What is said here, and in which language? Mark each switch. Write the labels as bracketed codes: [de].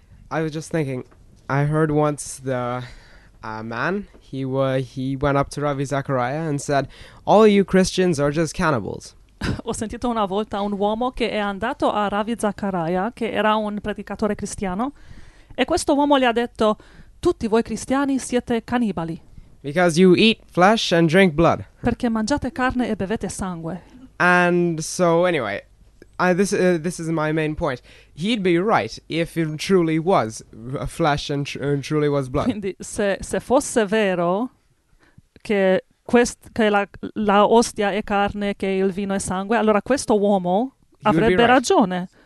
[en] I was just thinking, I heard once the man, he went up to Ravi Zachariah and said, all you Christians are just cannibals. [it] Ho sentito una volta un uomo che è andato a Ravi Zachariah, che era un predicatore cristiano, e questo uomo gli ha detto, tutti voi cristiani siete cannibali. [en] Because you eat flesh and drink blood. [it] Perché mangiate carne e bevete sangue. [en] And so anyway, this is my main point. He'd be right if it truly was flesh and truly was blood. [it] Quindi se fosse vero che la ostia è carne, che il vino è sangue, allora questo uomo avrebbe ragione.